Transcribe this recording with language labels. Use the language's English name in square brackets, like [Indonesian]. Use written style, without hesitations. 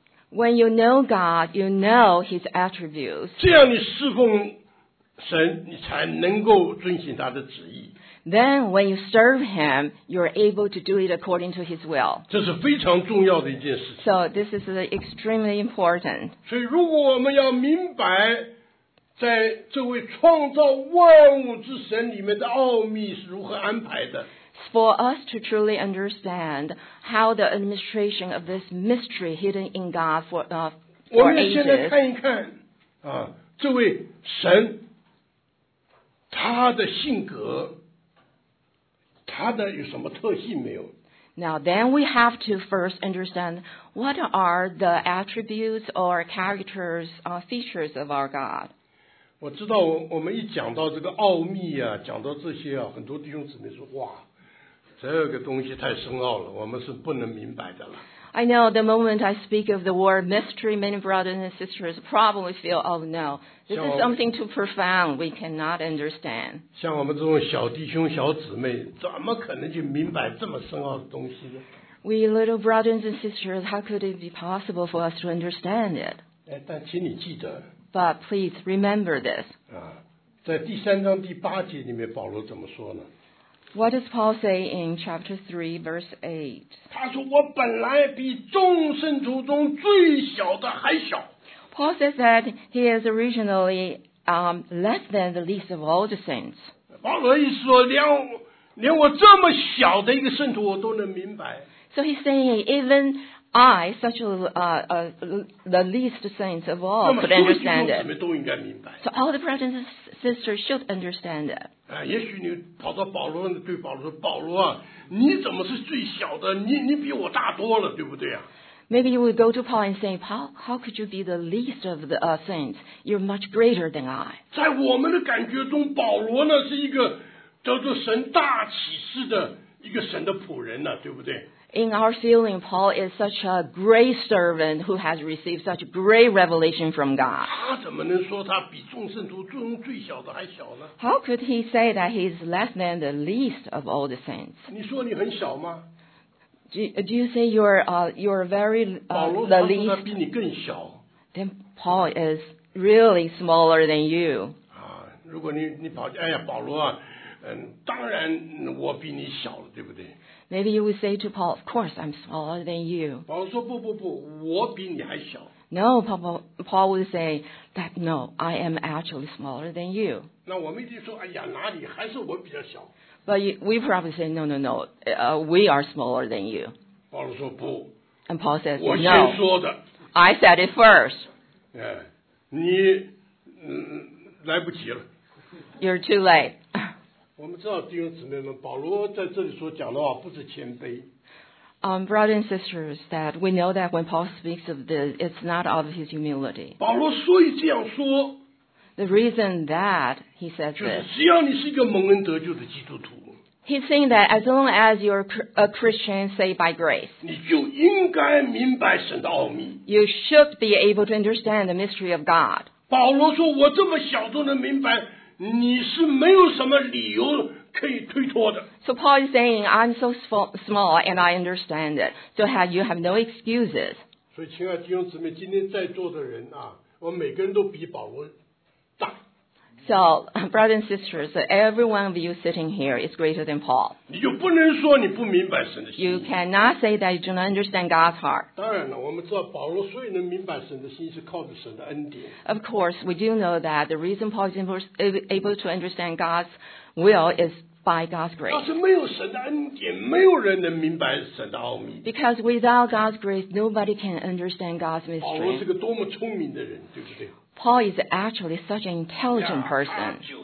[English] When you know God, you know his attributes. [Chinese] 这样你侍奉神，你才能够遵行他的旨意。 [English] Then when you serve him, you're able to do it according to his will. [Chinese] 这是非常重要的一件事情。 [English] So this is extremely important. [Chinese] 所以如果我们要明白在这位创造万物之神里面的奥秘是如何安排的。 [English] For us to truly understand how the administration of this mystery hidden in God for ages. [Chinese] 我们现在看一看啊，这位神他的性格他的有什么特性没有。 [English] Now then we have to first understand what are the attributes or characters or features of our God. [Chinese] 我知道我们一讲到这个奥秘啊，讲到这些啊，很多弟兄姊妹说哇，这个东西太深奥了，我们是不能明白的了。 [English] I know the moment I speak of the word mystery, many brothers and sisters probably feel, oh no, this is something too profound, we cannot understand. [Chinese] 像我们这种小弟兄小姊妹，怎么可能就明白这么深奥的东西呢？ [English] We little brothers and sisters, how could it be possible for us to understand it? [Chinese] 但请你记得。 [English] But please remember this. [Chinese] 在第三章第八节里面，保罗怎么说呢？ [English] What does Paul say in chapter 3, verse 8? [Chinese] 他说我本来比众圣徒中最小的还小。 [English] Paul says that he is originally less than the least of all the saints. [Chinese] 保罗意思说连我这么小的一个圣徒我都能明白。 [English] So he's saying even I, such a, the least saints of all, could understand it. So all the brothers and sisters should understand it. [Chinese] 也许你跑到保罗那对保罗说，保罗啊，你怎么是最小的？你比我大多了，对不对啊？ [English] Maybe you would go to Paul and say, Paul, how could you be the least of the saints? You're much greater than I. [Chinese] 在我们的感觉中，保罗呢是一个叫做神大启示的一个神的仆人呢，对不对？ [English] In our feeling, Paul is such a great servant who has received such great revelation from God. [Chinese] 他怎么能说他比众圣徒中最小的还小呢？ [English] How could he say that he is less than the least of all the saints? [Chinese] 你说你很小吗？ [English] Do you say you're very the least? [Chinese] 保罗他比你更小。 [English] Then Paul is really smaller than you. [Chinese] 如果你跑，哎呀，保罗啊，当然我比你小了，对不对？ [English] Maybe you would say to Paul, of course, I'm smaller than you. [Chinese] 保罗说不不不，我比你还小。 [English] No, Paul would say that no, I am actually smaller than you. [Chinese] 那我们一定说，哎呀，哪里，还是我比较小。 [English] But we probably say, no, no, no, we are smaller than you. [Chinese] 保罗说不。 [English] And Paul says, [Chinese] 我先说的。 [English] No, I said it first. [Chinese] 你来不及了。 [English] You're too late. [Chinese] 我们知道弟兄姊妹们，保罗在这里所讲的话不是谦卑。 [English] Brothers and sisters, that we know that when Paul speaks of this, it's not of his humility. [Chinese] 保罗所以这样说。 [English] The reason that he says this. [Chinese] 就是只要你是一个蒙恩得救的基督徒。 [English] He's saying that as long as you're a Christian saved by grace. [Chinese] 你就应该明白神的奥秘。 [English] You should be able to understand the mystery of God. [Chinese] 保罗说，我这么小都能明白。你是没有什么理由可以推脱的。 [English] So Paul is saying, I'm so small and I understand it. So you have no excuses. [Chinese] 所以亲爱的弟兄姊妹，今天在座的人啊，我们每个人都比保罗大。 [English] So, brothers and sisters, every one of you sitting here is greater than Paul. [Chinese] 你就不能说你不明白神的心。 [English] You cannot say that you do not understand God's heart. [Chinese] 当然了，我们知道保罗所以能明白神的心是靠着神的恩典。 [English] Of course, we do know that the reason Paul is able to understand God's will is by God's grace. [Chinese] 要是没有神的恩典，没有人能明白神的奥秘。 [English] Because without God's grace, nobody can understand God's mystery. [Chinese] 保罗是个多么聪明的人，对不对？ [English] Paul is actually such an intelligent person.